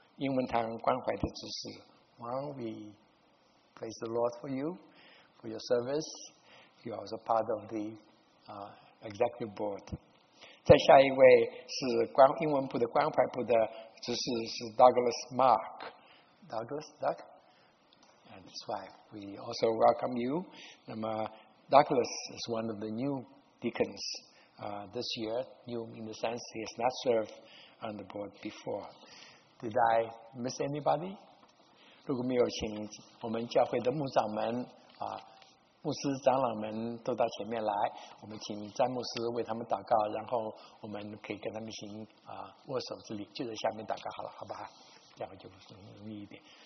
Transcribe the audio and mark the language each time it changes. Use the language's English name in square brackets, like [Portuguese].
[Chinese] 我们去粤语堂讲道的人常常受他的关怀，被他翻译。下面一位是黄璐，英文堂关怀的执事。 [English] Wang, we praise the Lord for you, for your service. You are also part of the executive board. [Chinese] 再下一位是英文部的关怀部的执事是 Douglas Mark. Douglas, Doug? [English] And his wife. We also welcome you. 那么 Douglas is one of the new deacons this year, new in the sense he has not served on the board before. Did I miss anybody? [Chinese] 如果没有请我们教会的牧长们、牧师长老们都到前面来，我们请詹牧师为他们祷告，然后我们可以跟他们握手之礼，就在下面祷告好了，好不好？这样就容易一点。